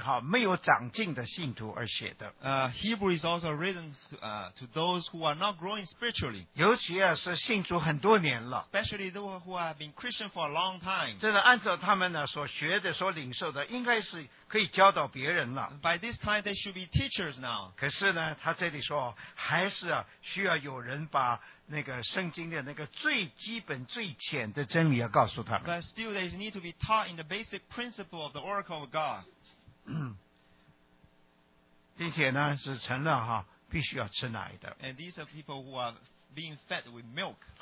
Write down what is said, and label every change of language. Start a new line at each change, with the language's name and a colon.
Chinese: 这个希伯来书也是为着那些没有长进的信徒而写的。
English: Hebrew is also written to those who are not growing spiritually.
Chinese: 尤其是信主很多年了。
English: Especially those who have been Christian for a long time.
Chinese: 真的按照他们所学的、所领受的，应该是可以教导别人了。
English: By this time, they should be teachers now.
Chinese: 可是呢，他这里说还是需要有人把。那个圣经的那个最基本最浅的真理要告诉他们。
English: But still, they need to be taught in the basic principle of the oracle of God.
Chinese: 并且呢，是成了哈，必须要吃奶的。
English: And these are people who are being fed with milk.